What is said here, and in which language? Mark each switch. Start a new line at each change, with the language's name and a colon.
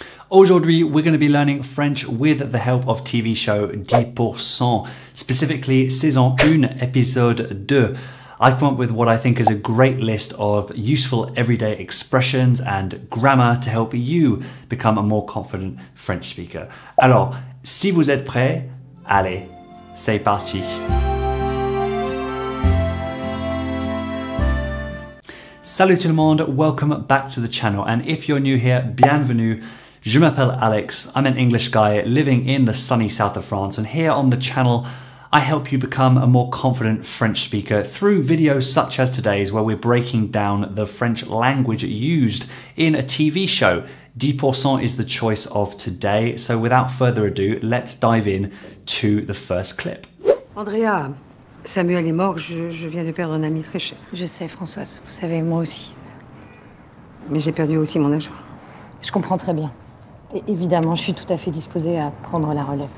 English: Aujourd'hui, we're going to be learning French with the help of TV show 10%, specifically saison 1, episode 2. I come up with what I think is a great list of useful everyday expressions and grammar to help you become a more confident French speaker.
French: Alors, si vous êtes prêts, allez, c'est parti. Salut tout le monde,
English: welcome back to the channel. And if you're new here,
French: bienvenue. Je m'appelle Alex,
English: I'm an English guy living in the sunny south of France, and here on the channel, I help you become a more confident French speaker through videos such as today's, where we're breaking down the French language used in a TV show. 10% is the choice of today, so without further ado, let's dive in to the first clip.
French: Andrea, Samuel est mort, je viens de perdre un ami très cher. Je sais, Françoise, vous savez, moi aussi. Mais j'ai perdu aussi mon argent. Je comprends très bien. Et évidemment, je suis tout à fait disposée à prendre la relève.